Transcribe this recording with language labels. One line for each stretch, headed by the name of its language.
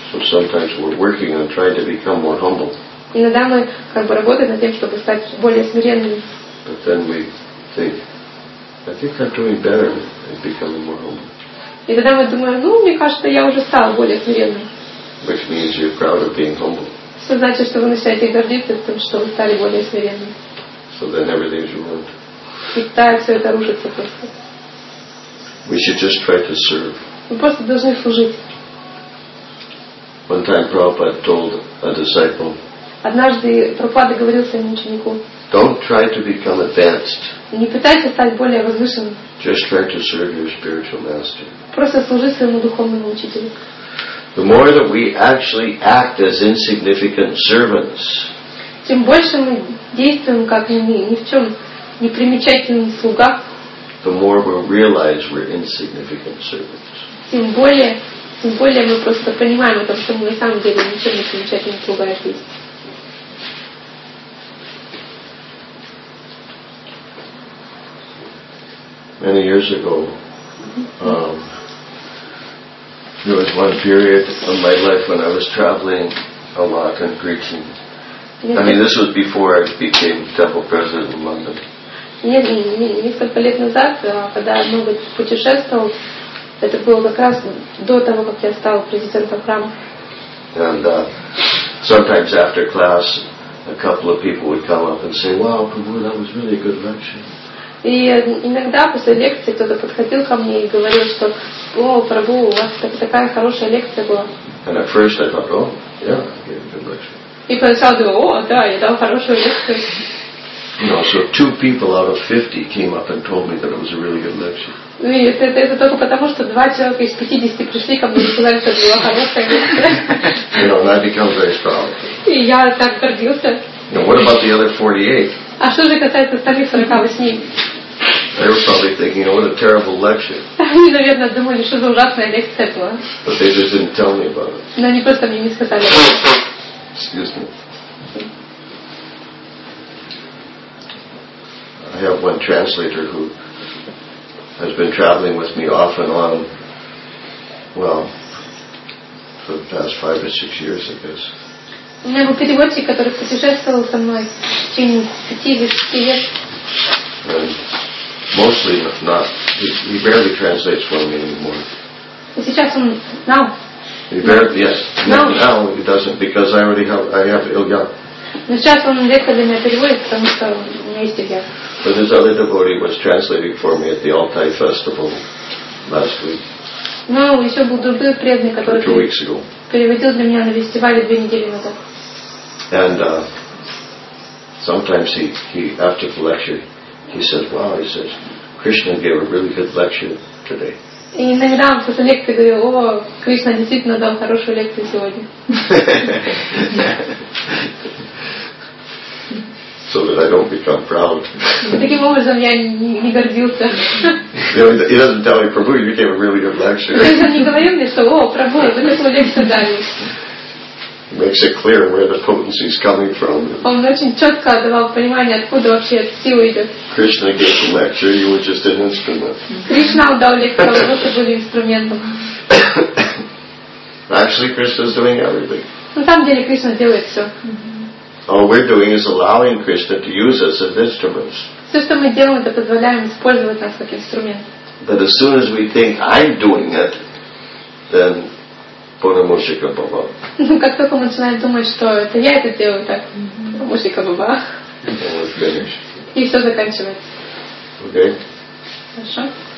English: So sometimes we're working on trying to become more humble.
Russian: Иногда мы как бы работаем над тем, чтобы стать более смиренными.
English: But then we think, I think I'm doing better at becoming more humble.
Russian: И тогда мы думаем, мне кажется, я уже стал более смиренным.
English: Which means you're proud of being humble.
Russian: Что значит, что вы начинаете гордиться тем, что вы стали более смиренным.
English: So then everything's ruined.
Russian: И так все это рушится просто.
English: We should just try to serve.
Russian: Мы просто должны служить.
English: One time Prabhupada told a disciple.
Russian: Однажды Прабхупада говорил своему ученику.
English: Don't try to become advanced.
Russian: Не пытайся стать более возвышенным.
English: Just try to serve your spiritual master.
Russian: Просто служи своему духовному учителю.
English: The more that we actually act as insignificant servants,
Russian: тем больше мы действуем как ни в чем непримечательный слуга,
English: the more we realize we're insignificant servants.
Russian: Тем более мы просто понимаем о том, что мы на самом деле ничем не примечательный слуга есть.
English: Many years ago, there was one period of my life when I was traveling a lot and preaching. I mean, this was before I became temple president in London.
Russian: Несколько лет назад, когда я много путешествовал, это было как раз до того, как я стал президентом храма.
English: And sometimes after class, a couple of people would come up and say, "Wow, Prabhu, that was really a good lecture."
Russian: И иногда после лекции кто-то подходил ко мне и говорил, что Прабу, у вас такая хорошая лекция была.
English: And at first I thought, yeah,
Russian: и поначалу думал, я дал хорошую лекцию.
English: No, so two people out of 50 came up and told me that it was a really good lecture.
Russian: И это только потому, что два человека из 50 пришли ко мне и сказали, что это была хорошая лекция.
English: You know, and I became very proud.
Russian: И я так гордился.
English: Now, what about the other 48?
Russian: А что же касается остальных 48?
English: They were probably thinking, what a terrible lecture.
Russian: Они, наверное, думали, что за ужасная лекция была.
English: But they just didn't tell me about it.
Russian: Но они просто мне не сказали.
English: Excuse me. I have one translator who has been traveling with me off and on, for the past 5 or 6 years, I guess.
Russian: У меня был переводчик, который путешествовал со мной в течение 5 или 6 лет.
English: Mostly not. He barely translates for me anymore.
Russian: И сейчас он
English: now. He barely, yes. Now he doesn't, because I already have Илья.
Russian: Но сейчас он редко для меня переводит, потому что у меня есть Илья.
English: But this other devotee was translating for me at the Altai festival last week.
Russian: Но еще был другой преданный, который
English: two weeks ago.
Russian: Переводил для меня на фестивале 2 недели назад.
English: And sometimes he after the lecture he says, "Wow," he says, "Krishna gave a really good lecture today."
Russian: И иногда он после лекции говорил, Кришна действительно дал хорошую лекцию сегодня.
English: So that I don't become proud.
Russian: Таким образом я не гордился.
English: He doesn't tell me, "Prabhu, you gave a really good lecture."
Russian: Он не говорил мне, что, "Прабху, вы такую лекцию дали."
English: makes it clear where the potency is coming from.
Russian: Он очень четко давал понимание, откуда вообще эта сила идет.
English: Krishna gave the lecture, you were just an instrument.
Russian: Кришна дал лекцию, вы были инструментом.
English: Actually, Krishna is doing everything.
Russian: На самом деле Кришна делает все.
English: All we're doing is allowing Krishna to use us as instruments.
Russian: Все, что мы делаем, это позволяем использовать нас как инструмент.
English: But as soon as we think I'm doing it, then Purnamushika Baba.
Russian: Ну, как только мы начинаем думать, что это я это делаю, так Purnamushika Baba. И все заканчивается.
English: Okay.
Russian: Хорошо.